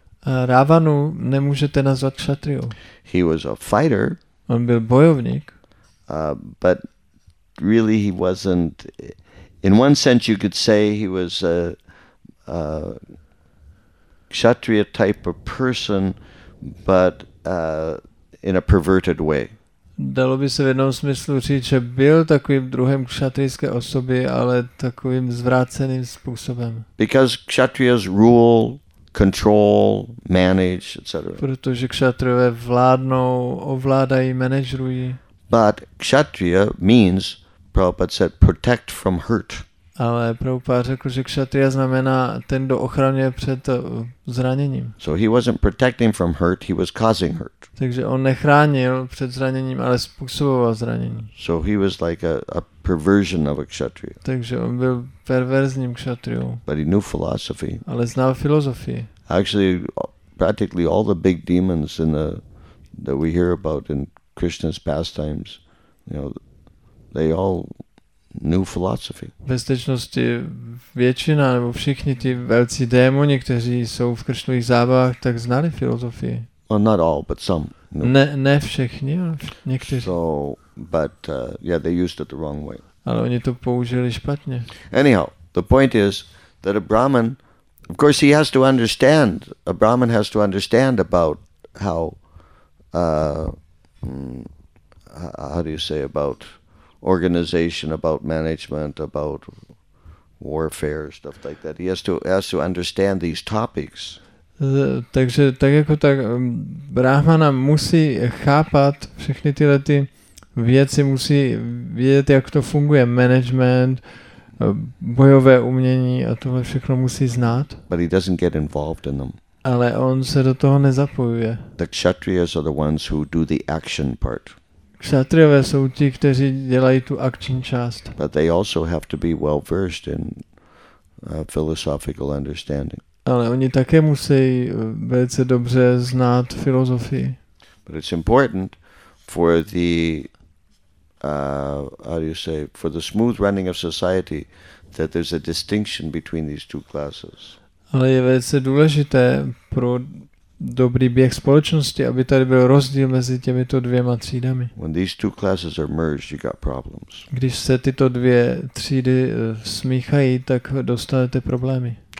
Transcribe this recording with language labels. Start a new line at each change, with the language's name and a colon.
Czech: Ravanu nemůžete nazvat kshatriou.
English: He was a fighter.
Czech: On byl bojovník.
English: But really he wasn't, in one sense you could say he was a kshatriya type of person, but in a perverted way.
Czech: Dalo by se v jednom smyslu říct, že byl takovým druhem kšatrijské osoby, ale takovým zvráceným způsobem.
English: Because kšatrias rule, control, manage, etc.
Czech: Protože kšatriové vládnou, ovládají, manažují.
English: But kšatria means, Prabhupada said, protect from hurt.
Czech: Ale Prabhupada řekl, že kšatria znamená ten, kdo ochraňuje před zraněním.
English: So he wasn't protecting from hurt, he was causing hurt.
Czech: Takže on nechránil před zraněním, ale způsoboval zranění.
English: So he was like a perversion of a kshatriya.
Czech: Takže on byl perverzním kshatriou.
English: But he knew philosophy.
Czech: Ale znal filozofii.
English: Actually, practically all the big demons in the that we hear about in Krishna's pastimes, you know, they all knew philosophy.
Czech: Ve skutečnosti většina nebo všichni ti velcí démoni, kteří jsou v Krišnových zábavách, tak znali filozofii.
English: Well, not all, but some.
Czech: No. Ne všichni, ale někteří.
English: So, but yeah, they used it the wrong way.
Czech: Ale oni to použili špatně.
English: Anyhow, the point is that a Brahmin, of course, he has to understand. A Brahmin has to understand about how, how do you say, about organization, about management, about warfare, stuff like that. He has to understand these topics.
Czech: Takže tak jako tak Brahmana musí chápat všechny tyhle ty věci, musí vědět, jak to funguje, management, bojové umění a tohle všechno musí znát.
English: But he doesn't get involved in them.
Czech: Ale on se do toho nezapojuje.
English: The kshatriyas are the ones who do the action part.
Czech: Kshatriyové jsou ti, kteří dělají tu akční část.
English: But they also have to be well versed in philosophical understanding.
Czech: Ale oni také musí velice dobře znát filozofii.
English: But it's important for the how do you say, for the smooth running of society that there's a distinction between these two classes.
Czech: Ale je velice důležité pro dobrý běh společnosti, aby tady byl rozdíl mezi těmito dvěma třídami.
English: When these two classes are merged, you got problems.
Czech: Když se tyto dvě třídy smíchají, tak dostanete problémy.